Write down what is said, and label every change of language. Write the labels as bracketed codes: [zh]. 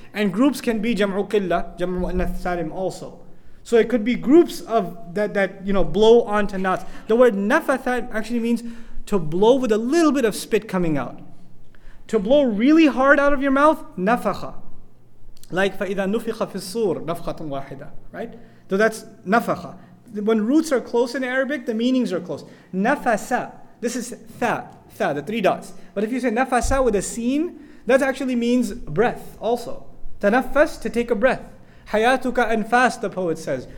[en] And groups can be [ar] jam'u qilla, jam'u mu'annath salim [en] also. So it could be groups of that you know, blow onto knots. The word nafathat actually means to blow with a little bit of spit coming out. To blow really hard out of your mouth, nafakha. [ar] Like فَإِذَا نُفِخَ فِي الصُّورِ نَفْخَةٌ وَاحِدَةٌ, right? [en] So that's نَفَخَ. When roots are close in Arabic, the meanings are close. نَفَسَ, this is ثَا, the three dots. But if you say نَفَسَ with a seen, that actually means breath also. تَنَفَّس, to take a breath. [ar] حَيَاتُكَ أَنْفَاسٌ, [en] the poet says.